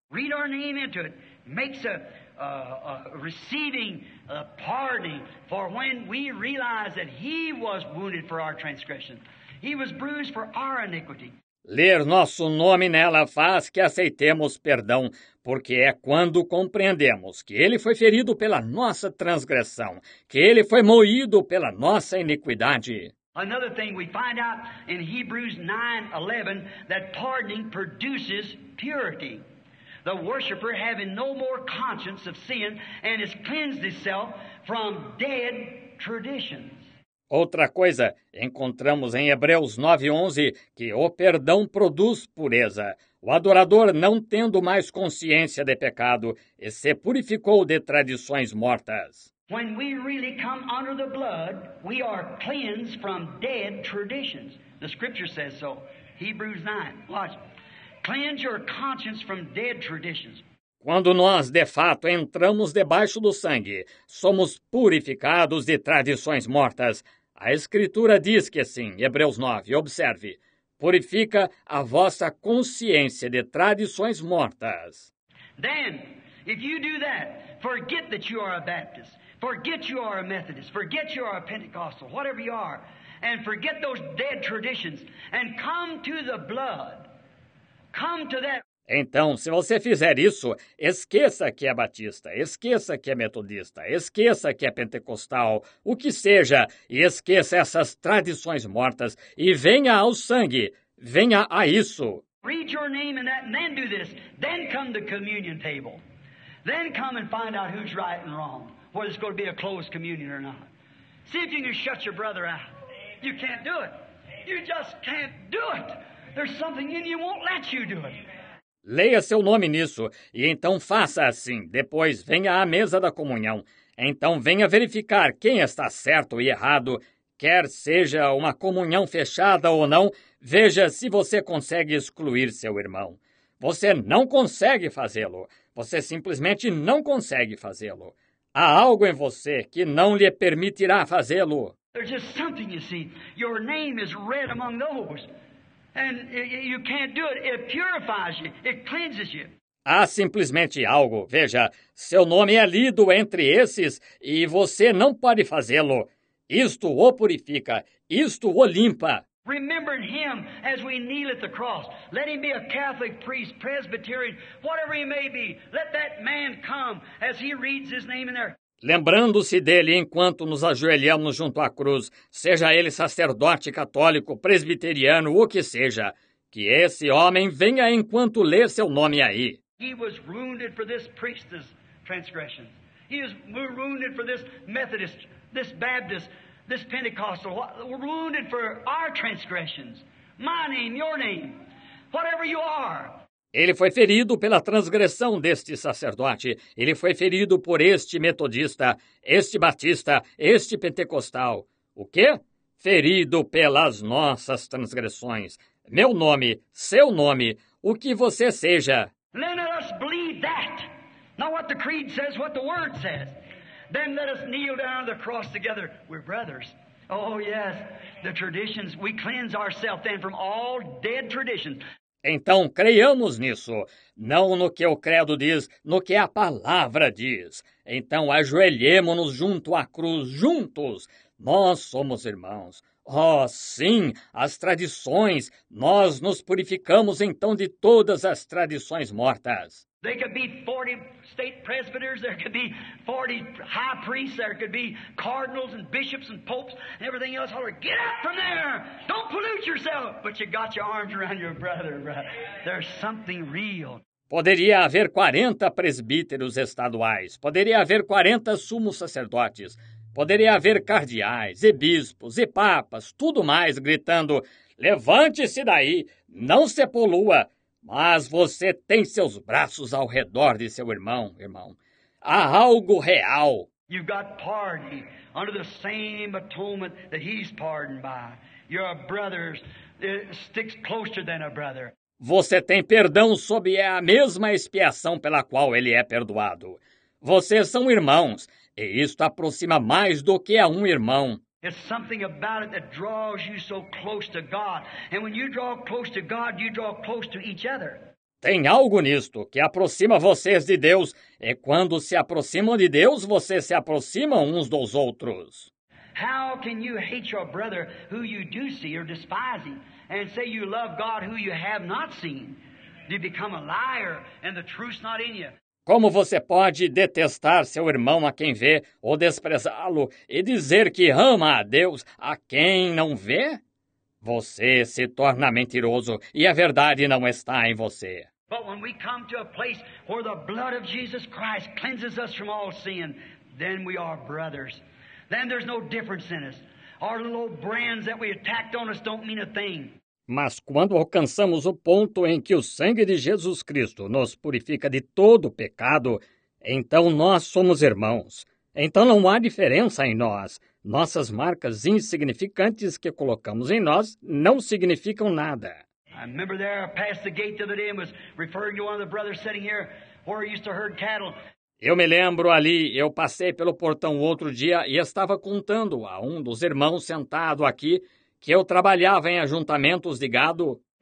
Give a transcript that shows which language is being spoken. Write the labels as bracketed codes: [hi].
[en] Read our name into it. Makes a receiving a pardon for when we realize that he was wounded for our transgression. He was bruised for our iniquity. [pt] Ler nosso nome nela faz que aceitemos perdão, porque é quando compreendemos que ele foi ferido pela nossa transgressão, que ele foi moído pela nossa iniquidade. [en] Another thing we find out in Hebrews 9:11 that pardoning produces purity. The worshiper having no more conscience of sin and has cleansed himself from dead traditions. [pt] Outra coisa, encontramos em Hebreus 9:11 que o perdão produz pureza. O adorador, não tendo mais consciência de pecado, e se purificou de tradições mortas. [en] When we really come under the blood, we are cleansed from dead traditions. The scripture says so. Hebrews 9. Watch. Cleanse your conscience from dead traditions. [pt] Quando nós, de fato, entramos debaixo do sangue, somos purificados de tradições mortas. A Escritura diz que sim, Hebreus 9, observe, purifica a vossa consciência de tradições mortas. [en] Then, if you do that, forget that you are a Baptist, forget you are a Methodist, forget you are a Pentecostal, whatever you are, and forget those dead traditions, and come to the blood, come to that. [pt] Então, se você fizer isso, esqueça que é batista, esqueça que é metodista, esqueça que é pentecostal, o que seja, e esqueça essas tradições mortas, e venha ao sangue, venha a isso. [en] Read your name in that, and then do this. Then come to the communion table. Then come and find out who's right and wrong, whether it's going to be a closed communion or not. See if you can shut your brother out. You can't do it. You just can't do it. There's something in you that won't let you do it. [pt] Leia seu nome nisso, e então faça assim. Depois venha à mesa da comunhão. Então venha verificar quem está certo e errado. Quer seja uma comunhão fechada ou não, veja se você consegue excluir seu irmão. Você não consegue fazê-lo. Você simplesmente não consegue fazê-lo. Há algo em você que não lhe permitirá fazê-lo. [en] There's just something you see. Your name is read among those. And you can't do it. It purifies you. It cleanses you. [pt] Há simplesmente algo. Veja, seu nome é lido entre esses e você não pode fazê-lo. Isto o purifica. Isto o limpa. [en] Remembering him as we kneel at the cross. Let him be a Catholic priest, Presbyterian, whatever he may be. Let that man come as he reads his name in there. [pt] Lembrando-se dele enquanto nos ajoelhamos junto à cruz, seja ele sacerdote, católico, presbiteriano, o que seja, que esse homem venha enquanto lê seu nome aí. [en] He was wounded for this priest's transgression. He was wounded for this Methodist, this Baptist, this Pentecostal. Wounded for our transgressions. My name, your name, whatever you are. [pt] Ele foi ferido pela transgressão deste sacerdote. Ele foi ferido por este metodista, este batista, este pentecostal. O quê? Ferido pelas nossas transgressões. Meu nome, seu nome, o que você seja. [en] Let us believe that. Not what the creed says, what the word says. Then let us kneel down on the cross together. We're brothers. Oh, yes. The traditions, we cleanse ourselves then from all dead traditions. [pt] Então, creiamos nisso, não no que o credo diz, no que a palavra diz. Então, ajoelhemo-nos junto à cruz, juntos. Nós somos irmãos. Oh, sim, as tradições, nós nos purificamos então de todas as tradições mortas. [en] There could be 40 state presbyters, there could be 40 high priests, there could be cardinals and bishops and popes and everything else. Holler, get up from there! Don't pollute yourself! But you got your arms around your brother, brother. There's something real. [pt] Poderia haver 40 presbíteros estaduais, poderia haver 40 sumos sacerdotes, poderia haver cardeais e bispos e papas, tudo mais, gritando, levante-se daí, não se polua. Mas você tem seus braços ao redor de seu irmão, irmão. Há algo real. [en] You've got pardon under the same atonement that he's pardoned by. You're a brother, sticks closer than a brother. [pt] Você tem perdão sob a mesma expiação pela qual ele é perdoado. Vocês são irmãos, e isto aproxima mais do que a um irmão. [en] It's something about it that draws you so close to God. And when you draw close to God, you draw close to each other. [pt] Tem algo nisto que aproxima vocês de Deus. E quando se aproximam de Deus, vocês se aproximam uns dos outros. [en] How can you hate your brother who you do see or despising and say you love God who you have not seen? You become a liar and the truth's not in you. [pt] Como você pode detestar seu irmão a quem vê ou desprezá-lo e dizer que ama a Deus a quem não vê? Você se torna mentiroso e a verdade não está em você. [en] But when we come to a place where the blood of Jesus Christ cleanses us from all sin, then we are brothers. Then there's no difference in us. Our little brands that we attacked on us don't mean a thing. [pt] Mas quando alcançamos o ponto em que o sangue de Jesus Cristo nos purifica de todo pecado, então nós somos irmãos. Então não há diferença em nós. Nossas marcas insignificantes que colocamos em nós não significam nada. [en] I remember there, past the gate the other day, was referring to one of the brothers sitting here where he used to herd cattle. [pt] Eu me lembro ali, eu passei pelo portão outro dia e estava contando a um dos irmãos sentado aqui que eu trabalhava em ajuntamentos de gado.